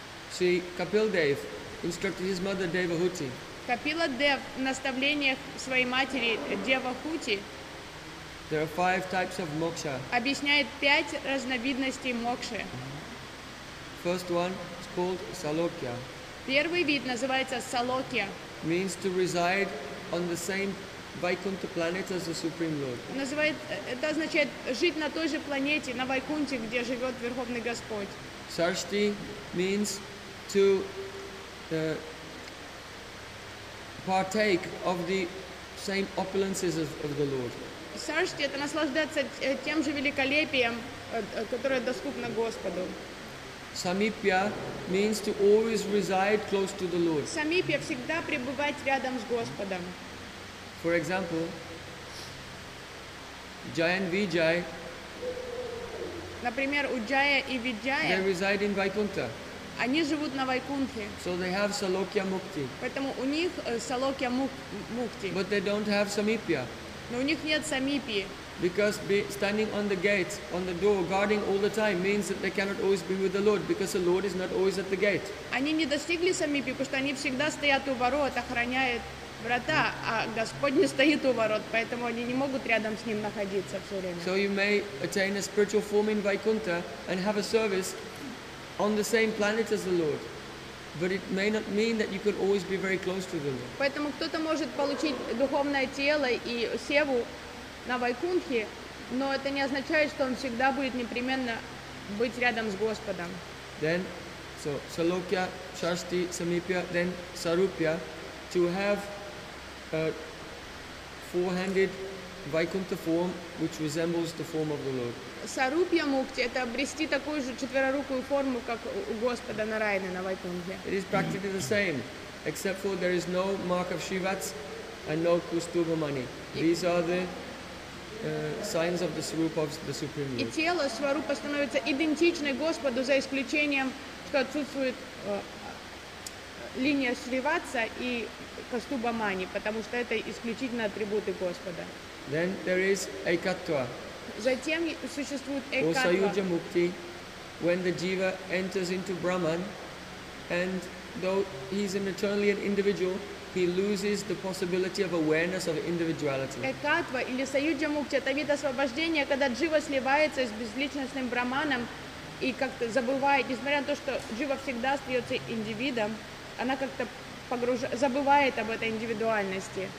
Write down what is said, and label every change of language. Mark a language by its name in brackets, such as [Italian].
[English] See, Kapil Dev instructed his mother Devahuti. [Russian] Капила Дев в наставлениях своей матери Девахути. [English] There are five types of moksha. [Russian] Объясняет пять разновидностей мокши. [English] First one is called Salokya. [Russian] Первый вид называется Салокья. [English] Means to reside on the same Vaikuntha planet as the Supreme Lord. [Russian] Называет, это означает жить на той же планете, на Вайкунте, где живет Верховный Господь. [English] Сарсти means to partake of the same opulences of the Lord. [Russian] Сарсти — это наслаждаться тем же великолепием, которое доступно Господу. [English] Самипья means to always reside close to the Lord. [Russian] Самипья — всегда пребывать рядом с Господом. [English] For example, Jaya and Vijay. [Russian] Например, у Джая и Виджая. [English] They reside in Vaikuntha. [Russian] Они живут на Вайкунте. [English] So they have Salokya Mukti. [Russian] Поэтому у них Salokya Mukti. [English] But they don't have Samipya. [Russian] Но у них нет Самипьи. [English] Because standing on the gate, on the door, guarding all the time means that they cannot always be with the Lord, because the Lord is not always at the gate. [Russian] Они не достигли Самипьи, потому что они всегда стоят у ворот, охраняют врата, а Господь не стоит у ворот, поэтому они не могут рядом с Ним находиться все время. [English] So you may attain a spiritual form in Vaikuntha and have a service on the same planet as the Lord, but it may not mean that you could always be very close to the Lord. [Russian] Поэтому кто-то может получить духовное тело и севу на Вайкунтхе, но это не означает, что он всегда будет непременно быть рядом с Господом. [English] Then, so Salokya, Sarsti, Samipya, then Sarupya, to have a four-handed Vaikuntha form which resembles the form of the Lord. [Russian] Sarupya Mukti — это обрести такую же четверорукую форму, как у Господа Нараяны на Вайкунтхе. [English] It is practically the same, except for there is no mark of Shivats and no Kustubha Mani. These are the signs of the Swarupa of the Supreme Lord. [Russian] И тело Сварупа становится идентичным Господу, за исключением, что отсутствует линия Шриватса и Кастуба Мани, потому что это исключительно атрибуты Господа. [English] Then there is Ekatva. [Russian] Затем существует Ekatva. [English] Or Sayuja Mukti, when the jiva enters into Brahman, and though he is an eternally an individual, he loses the possibility of awareness of individuality. [Russian] Экатва или саюджа мукти — это вид освобождения, когда джива сливается с безличностным браманом и как-то забывает, несмотря на то, что джива всегда остается индивидом, она как-то забывает об этой индивидуальности.